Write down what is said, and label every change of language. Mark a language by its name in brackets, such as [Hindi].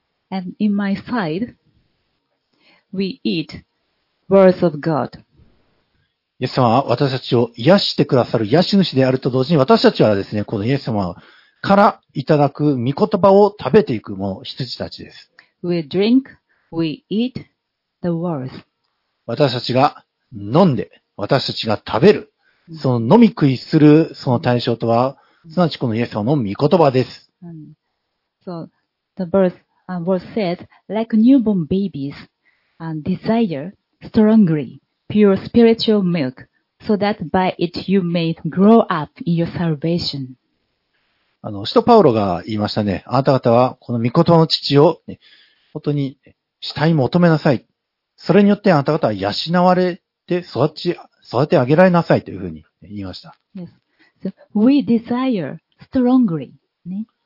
[English] And in my side, we eat words of God. [Japanese] イエス様は私たちを癒してくださる癒し主であると同時に私たちはですね、このイエス様からいただく御言葉を食べていくもの、羊たちです。 [English] We drink, we eat the words. [Japanese] 私たちが飲んで、私たちが食べる、その飲み食いするその対象とは、すなわちこのイエス様の御言葉です。 [English] So, the verse says, like newborn babies, desire stronglyPure spiritual milk, so that by it you may grow up in your salvation. [Japanese] 使徒パウロが言いましたね。あなた方はこの御言葉の乳を、ね、本当に死体求めなさい。それによってあなた方は養われて育て上げられなさいというふうに言いました。 [English] Yes. So、we desire strongly.、ね、